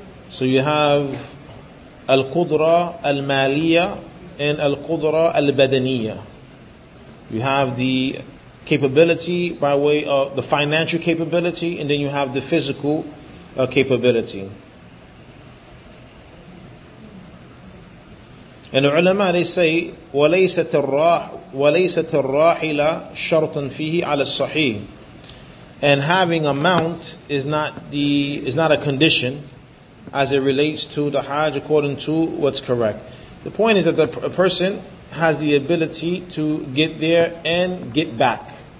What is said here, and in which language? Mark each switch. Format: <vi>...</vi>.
<en>So you have al-qudra al-maliya and al-qudra al-badaniya. You have the capability by way of the financial capability, and then you have the physical capability. And the ulama, they say,</en> <ar>وليست الراحلة شرطا فيه على الصحيح.</ar> <en>And having a mount is not a condition as it relates to the Hajj according to what's correct. The point is that a person has the ability to get there and get back.</en>